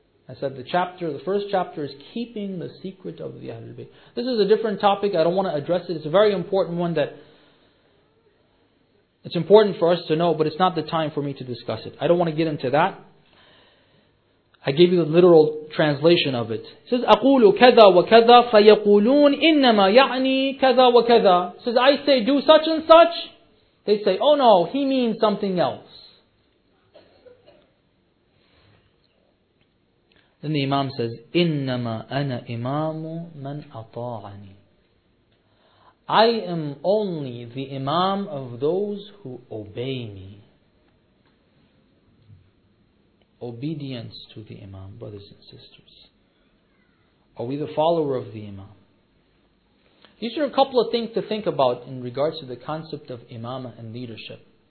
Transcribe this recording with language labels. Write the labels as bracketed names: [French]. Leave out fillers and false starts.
[English] I said the first chapter is keeping the secret of the Ahlul Bayt. This is a different topic. I don't want to address it. It's a very important one that it's important for us to know, but it's not the time for me to discuss it. I don't want to get into that. I gave you the literal translation of it. It says, [Arabic] أَقُولُ كَذَا وَكَذَا فَيَقُولُونَ إِنَّمَا يَعْنِي كَذَا وَكَذَا. [English] It says, I say do such and such. They say, oh no, he means something else. Then the Imam says, [Arabic] إِنَّمَا أَنَا إِمَامُ مَنْ أَطَاعَنِي. [English] I am only the imam of those who obey me. Obedience to the imam, brothers and sisters. Are we the follower of the imam? These are a couple of things to think about in regards to the concept of imamah and leadership.